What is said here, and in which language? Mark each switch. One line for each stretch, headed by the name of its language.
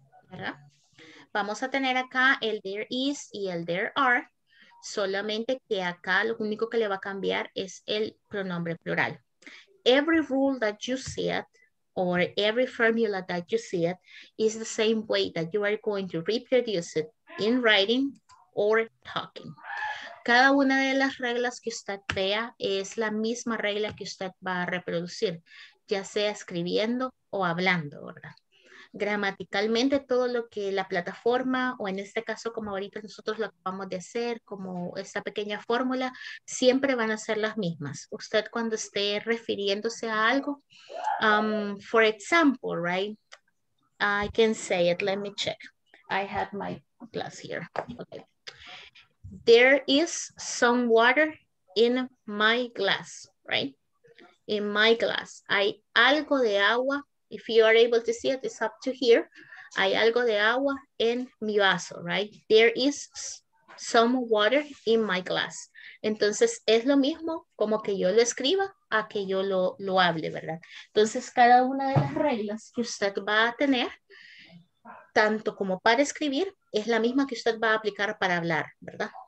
Spanish: ¿Verdad? Vamos a tener acá el there is y el there are, solamente que acá lo único que le va a cambiar es el pronombre plural.
English: Every rule that you see it, or every formula that you see it, is the same way that you are going to reproduce it in writing or talking.
Spanish: Cada una de las reglas que usted vea es la misma regla que usted va a reproducir, ya sea escribiendo o hablando, ¿verdad? Gramaticalmente todo lo que la plataforma, o en este caso como ahorita nosotros lo acabamos de hacer, como esta pequeña fórmula, siempre van a ser las mismas. Usted cuando esté refiriéndose a algo,
English: for example, right, I can say it, let me check. I have my glass here. Okay. There is some water in my glass, right? In my glass.
Spanish: Hay algo de agua.
English: If you are able to see it, it's up to here.
Spanish: Hay algo de agua en mi vaso,
English: right? There is some water in my glass.
Spanish: Entonces, es lo mismo como que yo lo escriba a que yo lo hable, ¿verdad? Entonces, cada una de las reglas que usted va a tener, tanto como para escribir, es la misma que usted va a aplicar para hablar, ¿verdad?